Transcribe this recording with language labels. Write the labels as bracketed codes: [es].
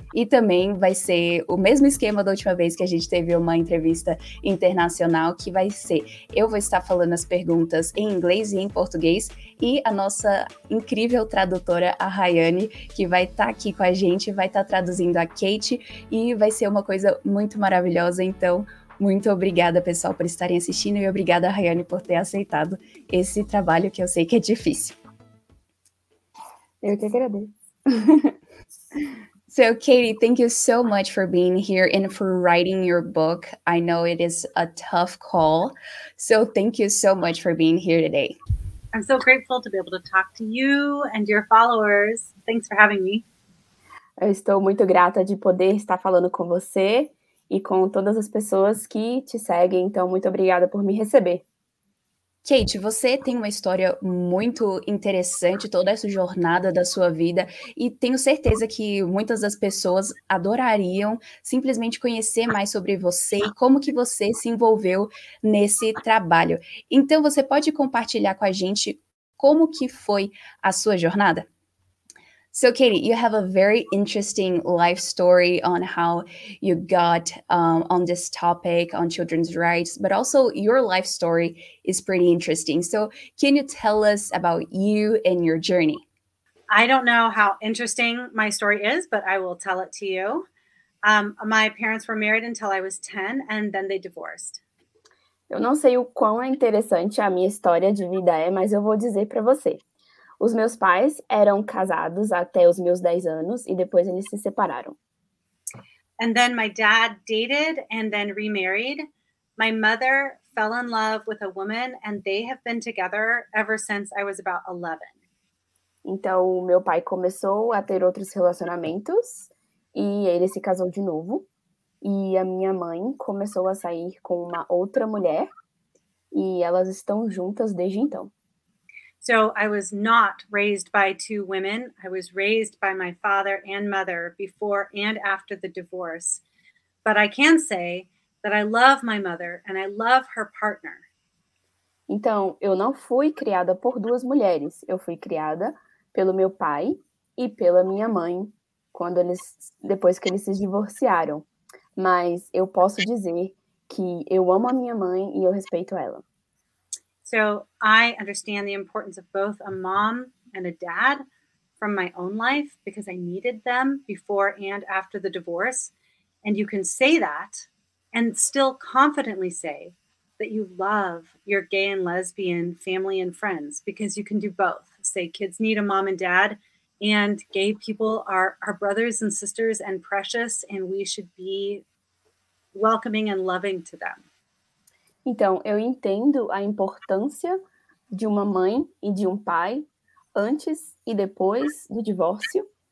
[pt] E também vai ser o mesmo esquema da última vez que a gente teve uma entrevista internacional, que vai ser, eu vou estar falando as perguntas em inglês e em português, e a nossa incrível tradutora, a Rayane, que vai estar aqui com a gente, vai estar traduzindo a Kate, e vai ser uma coisa muito maravilhosa. Então, muito obrigada, pessoal, por estarem assistindo, e obrigada, Rayane, por ter aceitado esse trabalho, que eu sei que é difícil. Eu que agradeço. [en] So, Katie, thank you so much for being here and for writing your book. I know it is a tough call. So, thank you so much for being here today. I'm so grateful to be able to talk to you and your followers. Thanks for having me. [pt] Eu estou muito grata de poder estar falando com você e com todas as pessoas que te seguem. Então, muito obrigada por me receber. Kate, você tem uma história muito interessante, toda essa jornada da sua vida, e tenho certeza que muitas das pessoas adorariam simplesmente conhecer mais sobre você e como que você se envolveu nesse trabalho. Então, você pode compartilhar com a gente como que foi a sua jornada? [en] So, Katie, you have a very interesting life story on how you got on this topic on children's rights, but also your life story is pretty interesting. So, can you tell us about you and your journey? I don't know how interesting my story is, but I will tell it to you. My parents were married until I was 10, and then they divorced. [pt] Eu não sei o quão interessante a minha história de vida é, mas eu vou dizer para você. Os meus pais eram casados até os meus 10 anos e depois eles se separaram. [en] And then my dad dated and then remarried. My mother fell in love with a woman and they have been together ever since I was about 11. [pt] Então, meu pai começou a ter outros relacionamentos e ele se casou de novo. E a minha mãe começou a sair com uma outra mulher e elas estão juntas desde então. [en] So I was not raised by two women. I was raised by my father and mother before and after the divorce. But I can say that I love my mother and I love her partner. [pt] Então, eu não fui criada por duas mulheres. Eu fui criada pelo meu pai e pela minha mãe depois que eles se divorciaram. Mas eu posso dizer que eu amo a minha mãe e eu respeito ela. [en] So I understand the importance of both a mom and a dad from my own life because I needed them before and after the divorce. And you can say that and still confidently say that you love your gay and lesbian family and friends because you can do both. Say kids need a mom and dad, and gay people are our brothers and sisters and precious, and we should be welcoming and loving to them. [pt] Então, eu entendo a importância de uma mãe e de um pai antes e depois do divórcio.